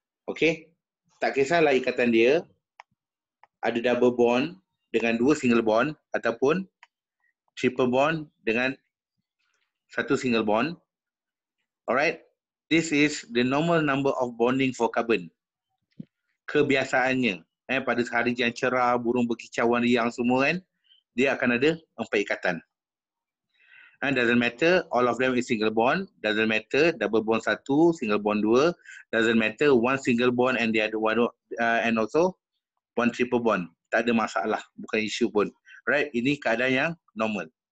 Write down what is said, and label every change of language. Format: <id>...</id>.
<ms>Okay? Tak kisahlah ikatan dia ada double bond dengan dua single bond ataupun triple bond dengan satu single bond. Alright?</ms> <en>This is the normal number of bonding for carbon.</en> <ms>Kebiasaannya, pada hari yang cerah, burung berkicauan riang semua kan, dia akan ada empat ikatan.</ms> <en>And doesn't matter, all of them is single bond. Doesn't matter, double bond satu, single bond dua. Doesn't matter, one single bond and the other one, and also one triple bond.</en> <ms>Tak ada masalah, bukan isu pun. Right, ini keadaan yang normal.</ms>